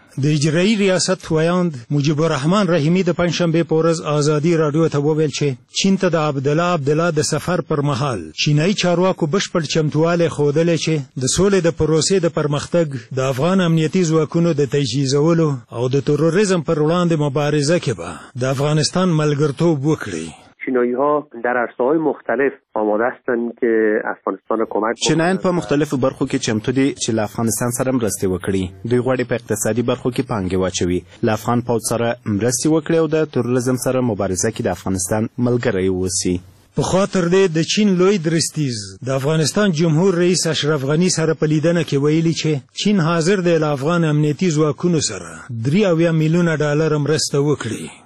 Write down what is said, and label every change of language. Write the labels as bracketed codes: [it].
[ps] د اجرایی ریاست ویاند مجیب الرحمن رحیمی د پنجشنبه په ورځ آزادی راډیو ته وویل چې چین ته د عبدالله عبدالله د سفر پر مهال چینایي چارواکو بشپړ چمتووالی ښودلی چې د سولې د پروسې د پرمختګ د افغان امنیتي ځواکونو د تجهیزولو او د تروریزم پر وړاندې مبارزه کې به د افغانستان ملګرتوب وکړي. [fa] چینایی ها در عرصه های مختلف آماده هستند که افغانستان کمک کنند. [ps] چینایان په مختلف برخو کې چمتو دي چې له افغانستان سره مرسته وکړي. دوی غواړي په اقتصادي برخو کې پانګه واچوي، له افغان پوځ سره مرسته وکړي او د تروریزم سره مبارزه کې د افغانستان ملګری واوسي. په خاطر دې د چین لوی درستیز د افغانستان جمهور رئیس اشرف غنی سره په لیدنه کې ویلي چې چین حاضر دی له افغان امنیتي ځواکونو سره 3 اویا میلیونه ډالر مرسته وکړي.